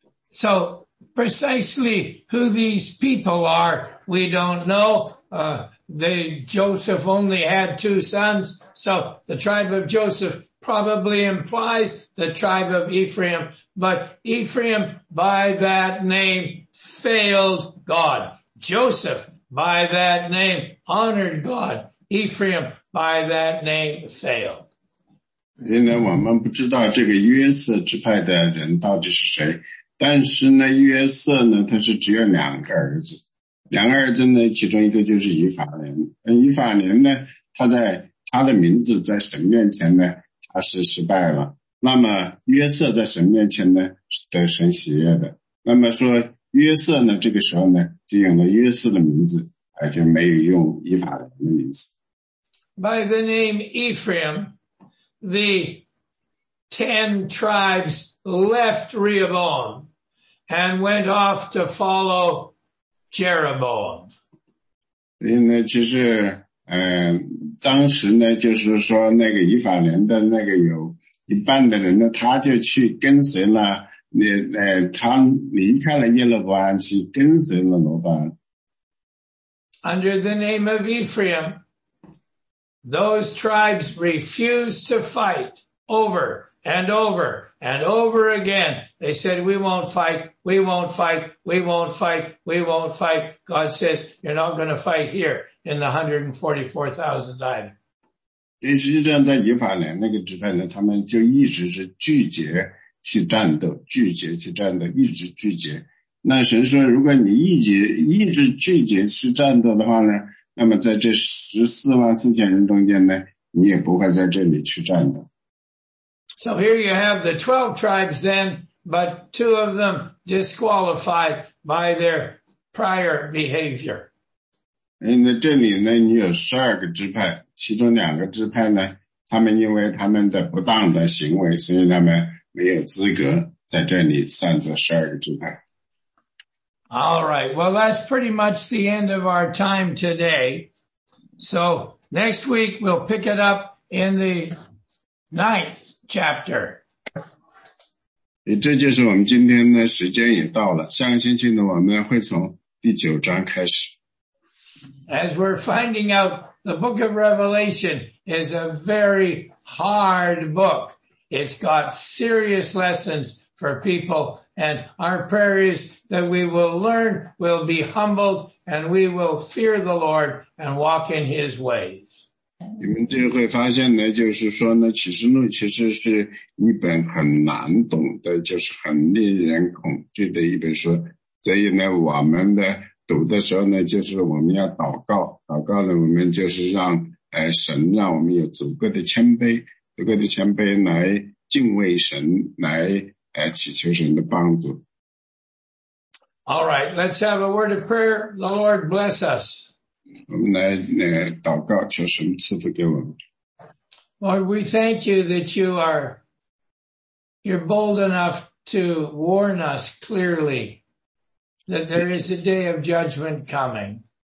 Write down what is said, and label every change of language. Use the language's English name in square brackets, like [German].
[English] So,precisely who these people are, we don't know. Joseph only had two sons, so the tribe of Joseph probably implies the tribe of Ephraim, but Ephraim by that name failed God. Joseph by that name honored God. Ephraim by that name failed. [Chinese] 因为我们不知道这个约瑟支派的人到底是谁，但是呢，约瑟呢，他是只有两个儿子，两个儿子呢，其中一个就是以法莲。以法莲呢，他的名字在神面前呢，他是失败了。那么约瑟在神面前呢，是得神喜悦的。那么说约瑟呢，这个时候呢，就用了约瑟的名字，而且没有用以法莲的名字。 [English] By the name Ephraim, the 10 tribes. Left Rehoboam and went off to follow Jeroboam. [Chinese] 因为其实当时呢就是说那个以法莲的那个有一半的人呢，他就去跟随了他离开了耶罗伯安，去跟随了罗巴安。 [English] Under the name of Ephraim, those tribes refused to fight over and over. And over again, they said, we won't fight, we won't fight, we won't fight, we won't fight. God says, you're not going to fight here in the 144,000 diamond. [Chinese] 实际上在以法莲那个支派呢，他们就一直是拒绝去战斗，拒绝去战斗，一直拒绝。那神说，如果你一直拒绝去战斗的话呢，那么在这144,000人中间呢，你也不会在这里去战斗。 [English] So here you have the 12 tribes then, but two of them disqualified by their prior behavior. [Chinese] 那这里呢，你有12个支派，其中两个支派呢，他们因为他们的不当的行为，所以他们没有资格在这里算作12个支派。 [English] All right, well that's pretty much the end of our time today. So next week we'll pick it up in the 9th. Chapter. [Chinese] 这就是我们今天的时间也到了，下个星期呢我们会从第九章开始。 [English] As we're finding out, the book of Revelation is a very hard book. It's got serious lessons for people, and our prayer is that we will learn, we'll be humbled, and we will fear the Lord and walk in His ways. [Chinese] 你们就会发现呢，就是说呢，启示录其实是一本很难懂的，就是很令人恐惧的一本书。所以呢，我们的读的时候呢，就是我们要祷告，祷告呢，我们就是让神让我们有足够的谦卑，足够的谦卑来敬畏神，来祈求神的帮助。 [English] All right, let's have a word of prayer. The Lord bless us. [Chinese] 我们来祷告，求神赐福给我们。 [English] Lord, we thank you that you're bold enough to warn us clearly that there is a day of judgment coming.